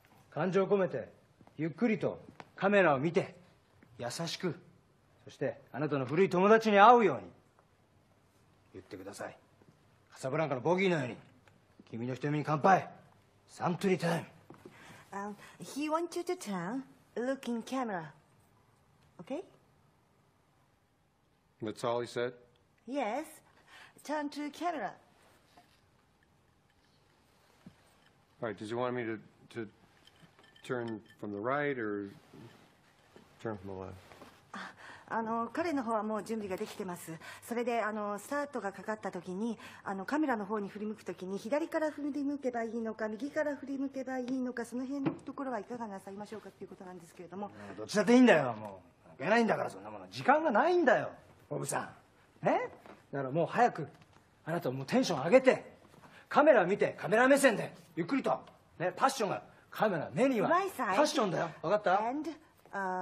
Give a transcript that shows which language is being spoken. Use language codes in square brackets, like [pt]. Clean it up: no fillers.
[ja] 感情を込めてゆっくりとカメラを見て優しく、そしてあなたの古い友達に会うように言ってください。カサブランカのボギーのように君の瞳に乾杯。サントリータイム。 [en] He wants you to turn, look in camera, okay? That's all he said? Yes, turn to camera. All right, did you want me to... to turn from the right or turn from the left? [ja] 彼の方はもう準備ができてます。それで、スタートがかかった時に、カメラの方に振り向く時に左から振り向けばいいのか右から振り向けばいいのか、その辺のところはいかがなさいましょうかっていうことなんですけれども。どちらでいいんだよ。もう。いけないんだから、そんなもの。時間がないんだよ。ボブさん。ね?だからもう早く、あなたもテンション上げて、カメラ見て、カメラ目線でゆっくりと。ね、パッションが、カメラ目には、パッションだよ。わかった?